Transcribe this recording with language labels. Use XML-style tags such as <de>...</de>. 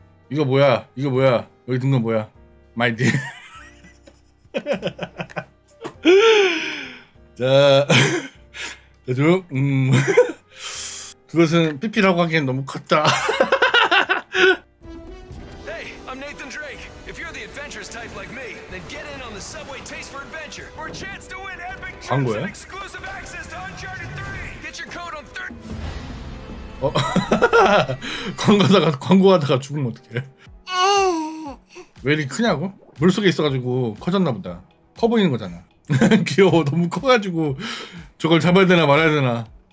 <ko>이거 뭐야? 이거 뭐야? 여기 든 건 뭐야? 마이디. 자, 대충 그것은 PP라고 하기엔 너무 컸다.</ko> <en>Hey, I'm Nathan Drake. If you're the adventurous type like me, then get in on the subway taste for adventure for a chance to win epic trips and exclusive access to Uncharted 3. Get your code on 3. 어?</en> <ko>광고하다가 죽으면 어떡해. 왜 이렇게 크냐고? 물속에 있어가지고 커졌나보다. 커 보이는 거잖아. 귀여워. 너무 커가지고 저걸 잡아야 되나 말아야 되나.</ko>